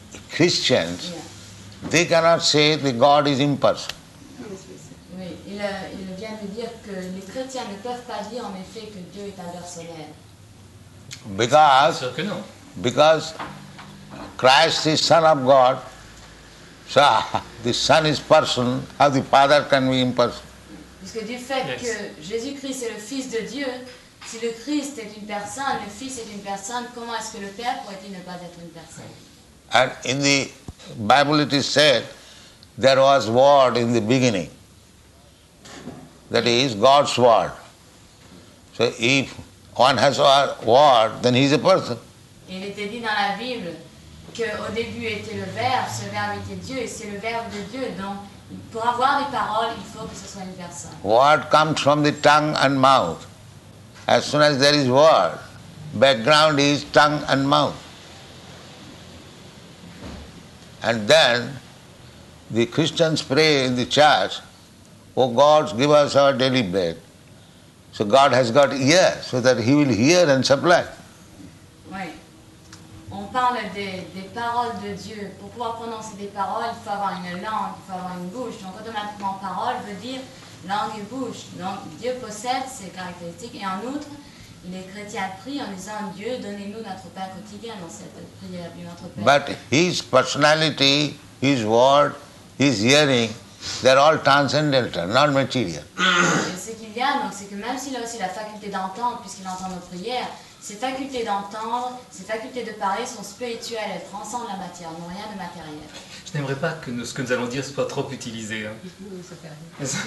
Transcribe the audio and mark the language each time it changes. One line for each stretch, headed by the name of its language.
English: Christians, they cannot say the God is impersonal.
French: Oui, il vient de dire que les chrétiens ne peuvent pas dire en effet que Dieu est impersonnel.
English: Because,
French: sûr que non.
English: Because Christ is Son of God, so the Son is person, how the Father can be impersonal?
French: Puisque du fait que Jésus-Christ est le Fils de Dieu, si le Christ est une personne, le Fils est une personne, comment est-ce que le Père pourrait-il ne pas être une personne?
English: And in the Bible it is said, there was word in the beginning. That is God's word. So if one has a word, then he is a person.
French: Il était dit dans la Bible qu'au début était le Verbe, ce Verbe était Dieu, et c'est le Verbe de Dieu. Donc pour avoir des paroles, il faut que ce soit une personne.
English: Word comes from the tongue and mouth. As soon as there is word, background is tongue and mouth. And then the Christians pray in the church, oh God, give us our daily bread. So God has got ear, so that He will hear and supply.
French: Oui. On parle des paroles de Dieu. Pour pouvoir prononcer des paroles, il faut avoir une langue, il faut avoir une bouche. Donc automatiquement, parole veut dire langue et bouche. Donc Dieu possède ces caractéristiques. Et en outre, les chrétiens prient en disant « Dieu, donnez-nous notre pain quotidien » dans cette prière de notre Père.
English: But His personality, His word, His hearing, they're all transcendental, not material.
French: Ce qu'il y a, donc, c'est que même s'il a aussi la faculté d'entendre, puisqu'il entend nos prières, ses facultés d'entendre, ses facultés de parler sont spirituelles, elles transcendent la matière, n'ont rien de matériel. Je n'aimerais pas que ce que nous allons dire soit trop utilisé. Hein.